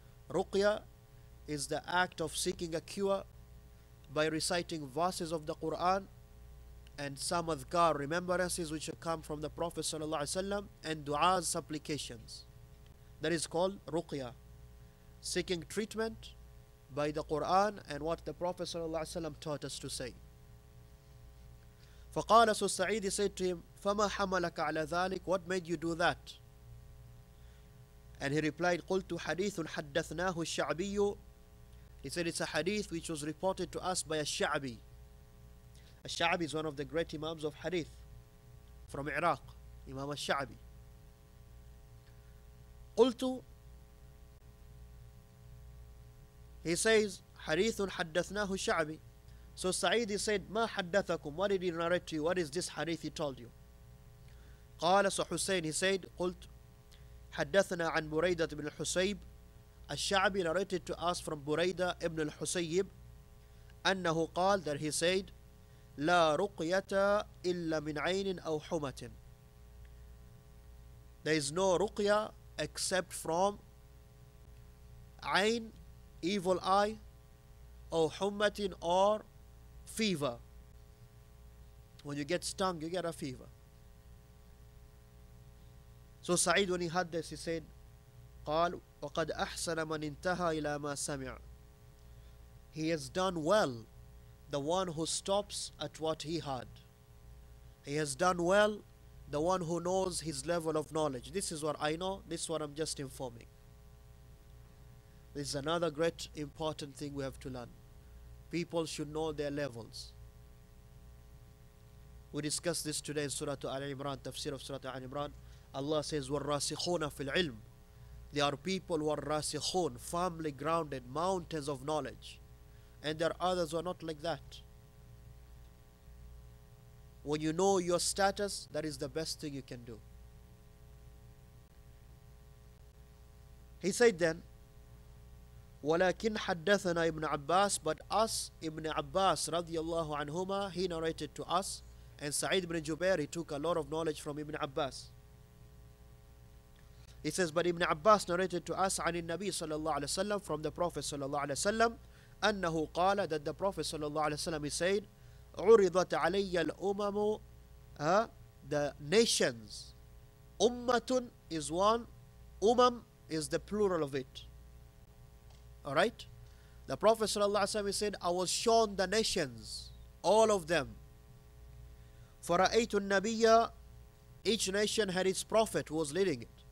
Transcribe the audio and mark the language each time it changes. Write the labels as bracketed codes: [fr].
[en] Ruqya is the act of seeking a cure by reciting verses of the Quran and some adhkar, remembrances which come from the Prophet sallallahu alaihi wasallam, and du'as, supplications. That is called ruqya, seeking treatment by the Quran and what the Prophet sallallahu alaihi wasallam taught us to say. فقال, so Sa'id said to him, [ar] فما حملك على ذلك, [en] what made you do that? And he replied, [ar] قلت حديث حدثناه الشعبي. [en] He said, it's a hadith which was reported to us by a Sha'bi. A Sha'bi is one of the great imams of hadith from Iraq, Imam al-Sha'bi. [ar] قلت, [en] he says, [ar] حديث حدثناه الشعبي. [en] So Sa'id said, [ar] ما حدثكم, [en] what did he narrate to you? What is this hadith he told you? [ar] قال, [en] so Hussein, he said, [ar] قلت حدثنا عن بريدة بن الحسيب. الشعبي [en] narrated to us from [ar] بريدة بن الحسيب, أنه قال, [en] that he said, [ar] لا رقية إلا من عين أو حمة. [en] There is no رقية except from عين, evil eye, أو حمة, or fever. When you get stung, you get a fever. So Sa'id, when he had this, he said, [ar] قال وقد أحسن من انتهى إلى ما سمع. [en] He has done well, the one who stops at what he heard. He has done well, the one who knows his level of knowledge. This is what I know, this is what I'm just informing. This is another great important thing we have to learn. People should know their levels. We discussed this today in Surah Al-Imran, tafsir of Surah Al-Imran. Allah says, [ar] وَالرَّاسِخُونَ فِي الْعِلْمِ. [en] There are people who are rasikhun, firmly grounded, mountains of knowledge. And there are others who are not like that. When you know your status, that is the best thing you can do. He said then, [ar] وَلَكِنْ حَدَّثَنَا [en] Ibn Abbas, but us, Ibn Abbas radiallahu anhuma, he narrated to us, and Sa'id ibn Jubair, he took a lot of knowledge from Ibn Abbas. He says, but Ibn Abbas narrated to us [ar] عن النبي صلى الله عليه وسلم, [en] from the Prophet صلى الله عليه وسلم, [ar] أنه قال, [en] that the Prophet صلى الله عليه وسلم, he said, [ar] عُرِضَتْ عَلَيَّ الْأُمَمُ, [en] the nations. أُمَّةٌ is one, أُمَم is the plural of it. Alright? The Prophet sallallahu alaihi wasallam said, I was shown the nations, all of them. [ar] فَرَأَيْتُ النَّبِيَّ, [en] each nation had its prophet who was leading it.